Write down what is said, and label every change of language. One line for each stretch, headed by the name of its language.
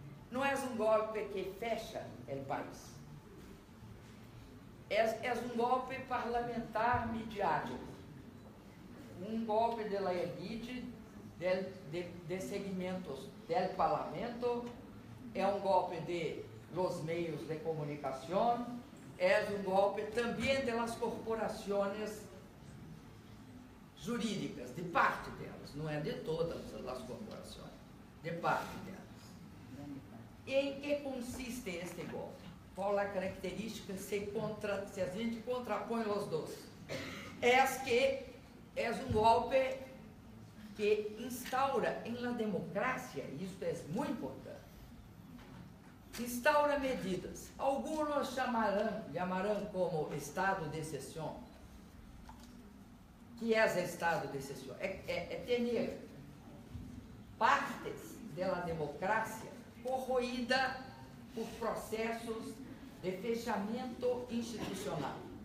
Spanish: No es un golpe que fecha el país. Es un golpe parlamentar mediático, un golpe de la élite, de segmentos del parlamento, es un golpe de los medios de comunicación, es un golpe también de las corporaciones jurídicas, de parte de ellas, no es de todas las corporaciones, de parte de ellas. ¿En qué consiste este golpe?
Portuguese: Qual a característica se a gente contrapõe os dois? É que é um golpe
Spanish: que instaura en la democracia, y esto es muy importante, instaura medidas. Algunos llamarán como estado de excepción. ¿Qué es estado de excepción? Es tener partes de la democracia corroída por procesos de fechamiento institucional.